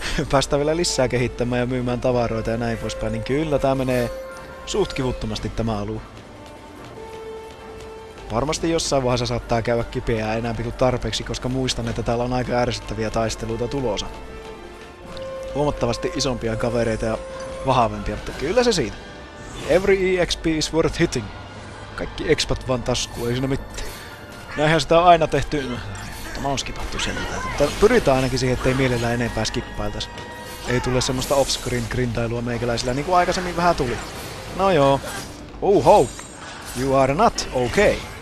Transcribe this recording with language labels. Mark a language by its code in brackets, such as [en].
[fi] Päästään vielä lisää kehittämään ja myymään tavaroita ja näin poispäin, niin kyllä tää menee suht kivuttomasti tämä alue. Varmasti jossain vaiheessa saattaa käydä kipeää enää pitu tarpeeksi, koska muistan, että täällä on aika ärsyttäviä taisteluita tulossa. Huomattavasti isompia kavereita ja vahvempia, mutta kyllä se siitä. [en] Every EXP is worth hitting. [fi] Kaikki expat vaan tasku, ei siinä mitään. Näinhän sitä on aina tehty. Tämä on skipattu sieltä. Mutta pyritään ainakin siihen, ettei mielellään enempää skippailtaisi. Ei tule semmoista offscreen grindailua meikäläisillä, niin kuin aikaisemmin vähän tuli. No joo. Oho. [en] You are not okay.